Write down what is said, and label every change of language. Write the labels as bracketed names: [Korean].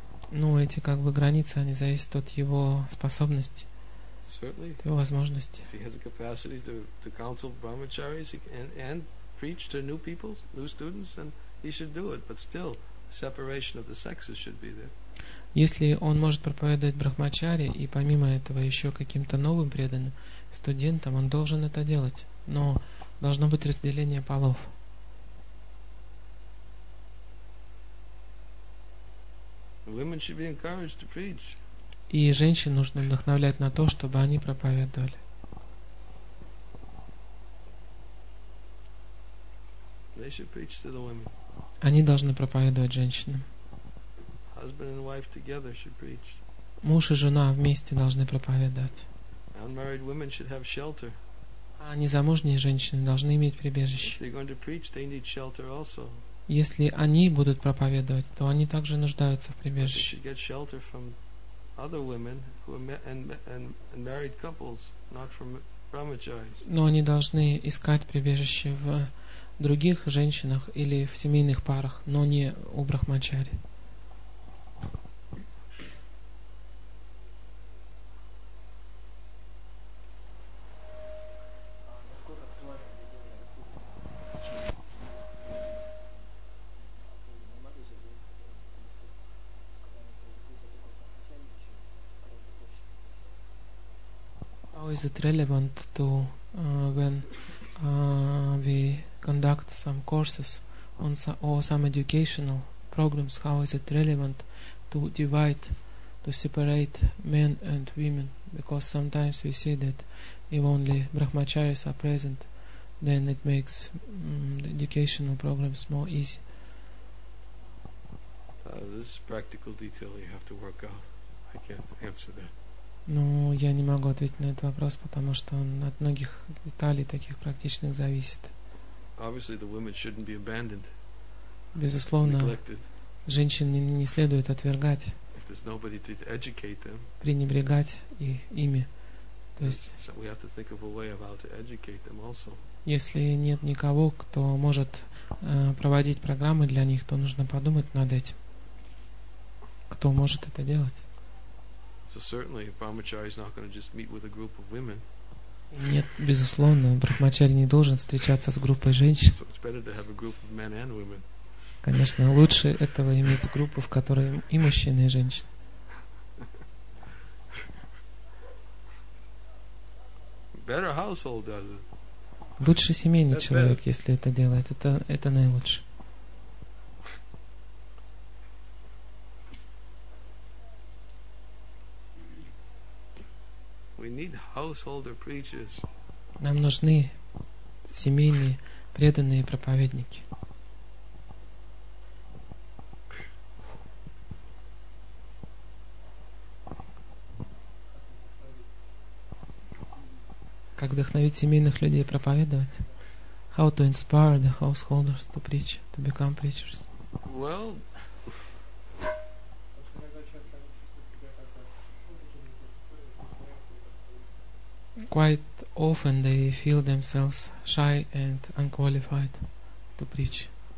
[Russian] Ну, эти как бы границы, они зависят от его способности. [English] If he has a capacity to counsel brahmacharis and preach to new people, new students, then he should do it. But still, separation of the sexes should be there. [Russian] Если он может проповедовать брахмачари и помимо этого еще каким-то новым преданным студентам, он должен это делать. Но должно быть разделение полов. [English] Women should be encouraged to preach. [Russian] И женщин нужно вдохновлять на то, чтобы они проповедовали. [English] They should preach to the women. [Russian] Они должны проповедовать женщинам. [English] Husband and wife together should preach. [Russian] Муж и жена вместе должны проповедовать. [English] Unmarried women should have shelter. [Russian] А незамужние женщины должны иметь прибежище. [English] If they're going to preach, they need shelter also. [Russian] Если они будут проповедовать, то они также нуждаются в прибежище. [English] They should get shelter from other women who are and married couples, not from brahmacharis. [Russian] Но они должны искать прибежище в других женщинах или в семейных парах, но не у брахмачари. [English] Is it relevant to when we conduct some courses on or some educational programs? How is it relevant to divide, to separate men and women? Because sometimes we see that if only brahmacharis are present, then it makes the educational programs more easy. This is a practical detail you have to work out. I can't answer that. [Russian] Ну, я не могу ответить на этот вопрос, потому что он от многих деталей таких практичных зависит. [English] Obviously, the women shouldn't be abandoned. [Russian] Безусловно, [English] neglected. [Russian] Женщин не следует отвергать. [English] If there's nobody to educate them, [Russian] пренебрегать их ими. То есть, [English] so we have to think of a way of how to educate them also. [Russian] Если нет никого, кто может проводить программы для них, то нужно подумать над этим. Кто может это делать? [English] So certainly, a brahmachari is not going to just meet with a group of women. [Russian] Нет, безусловно, брахмачари не должен встречаться с группой женщин. [English] So it's better to have a group of men and women. [Russian] Конечно, лучше этого иметь группу, в которой и мужчины, и женщины. [English] better household does it. [Russian] Лучше семейный человек, если это делает. Это наилучше. [English] We need householder preachers. [Russian] Нам нужны семейные преданные проповедники. Как вдохновить семейных людей проповедовать? [English] How to inspire the householders to preach, to become preachers? Well, quite often they feel themselves shy and unqualified to preach.